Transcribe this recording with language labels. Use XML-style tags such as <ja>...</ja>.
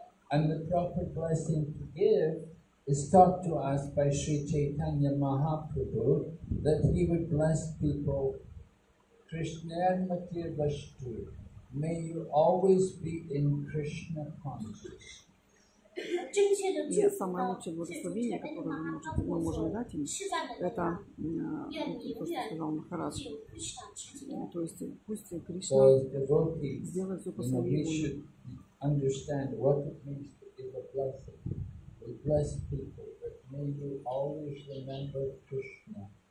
<en>And the proper blessing to give is taught to us by Sri Chaitanya Mahaprabhu that he would bless people</en> <sa>Krishna Matir Vashtu.</sa> <en>May you always be in Krishna consciousness.</en> <ru>И самое лучшее благословение, которое мы можем дать им, это то, что сказал Махарадж. То есть пусть Кришна сделает все по своему.</ru> <en>We should understand what it means to give a blessing. We bless people, but may you always remember Krishna.</en>